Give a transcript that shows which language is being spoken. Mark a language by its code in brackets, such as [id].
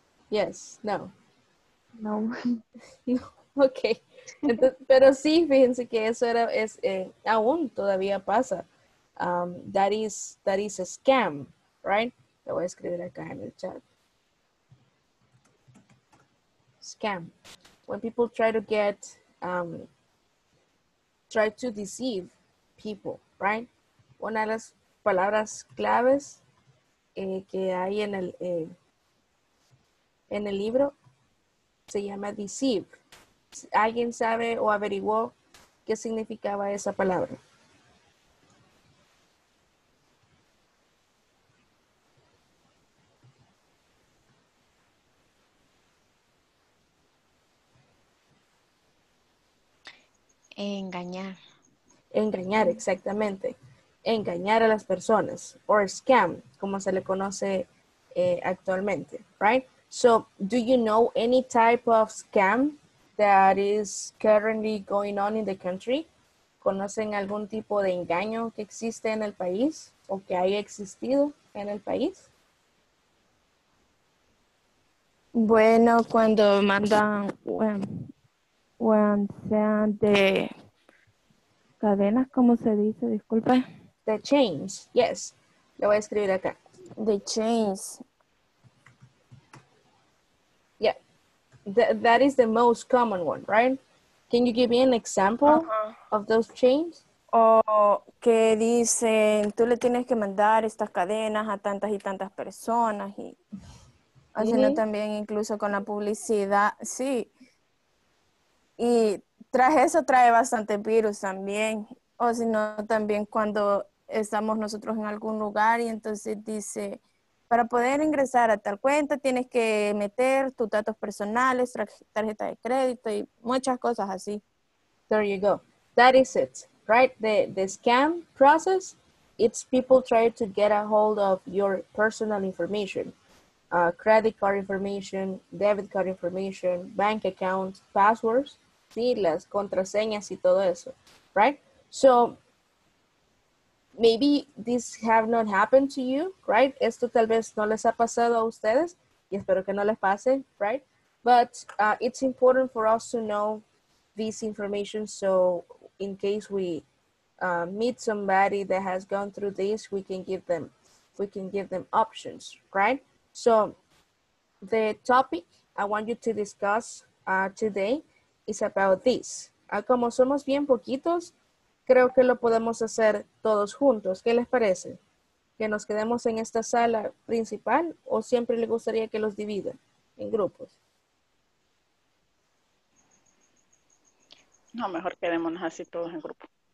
[en] Yes, no. No. No, ok. [es] Entonces, pero sí, fíjense que eso era, aún todavía pasa. [en] That is a scam, right? [es] Lo voy a escribir acá en el chat. [en] Scam. When people try to get, try to deceive people, right? [es] Una de las palabras claves que hay en el... en el libro, se llama deceive. ¿Alguien sabe o averiguó qué significaba esa palabra? Engañar. Engañar, exactamente. Engañar a las personas, [en] or scam, [es] como se le conoce actualmente, right? [en] So, do you know any type of scam that is currently going on in the country? [es] ¿Conocen algún tipo de engaño que existe en el país o que haya existido en el país? Bueno, cuando mandan when sean de cadenas, ¿cómo se dice? Disculpe. [en] The chains, yes. [es] Lo voy a escribir acá. [en] The chains. That is the most common one, right? Can you give me an example of those chains? [es] O que dicen, tú le tienes que mandar estas cadenas a tantas y tantas personas. Y haciendo también incluso con la publicidad. Sí. Y tras eso trae bastante virus también. O si no, también cuando estamos nosotros en algún lugar y entonces dice... Para poder ingresar a tal cuenta, tienes que meter tus datos personales, tarjeta de crédito y muchas cosas así. [en] There you go. That is it, right? The scam process, it's people try to get a hold of your personal information. Credit card information, debit card information, bank account, passwords, [es] sí, las contraseñas y todo eso, [en] right? So... maybe this have not happened to you, right? [es] Esto tal vez no les ha pasado a ustedes, y espero que no les pase, right? [en] But it's important for us to know this information, so in case we meet somebody that has gone through this, we can give them options, right? So the topic I want you to discuss today is about this. [es] Como somos bien poquitos, creo que lo podemos hacer todos juntos. ¿Qué les parece? ¿Que nos quedemos en esta sala principal o siempre les gustaría que los dividan en grupos? No, mejor quedémonos así todos en grupo.